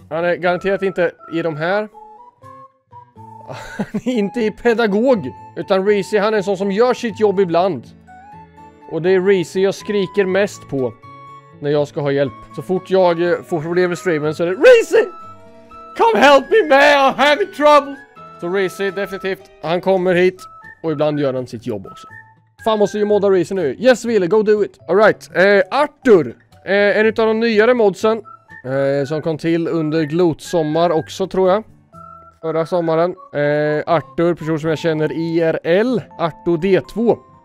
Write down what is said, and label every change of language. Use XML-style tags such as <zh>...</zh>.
<sv>Han är garanterat inte i de här. Han är inte i pedagog. Utan Reezy, han är en sån som gör sitt jobb ibland. Och det är Reezy jag skriker mest på när jag ska ha hjälp. Så fort jag får problem med streamen så är det Reezy!</sv> <en>Come help me man, I'm having trouble!</en> <sv>Så Reezy, definitivt, han kommer hit. Och ibland gör han sitt jobb också. Fan måste ju modda Reezy nu.</sv> <en>Yes, Wille, go do it!</en> <sv>Alright, Arthur! En av de nyare modsen. Som kom till under glotsommar också, tror jag. Förra sommaren. Arthur, person som jag känner IRL. Arthur D2.</sv>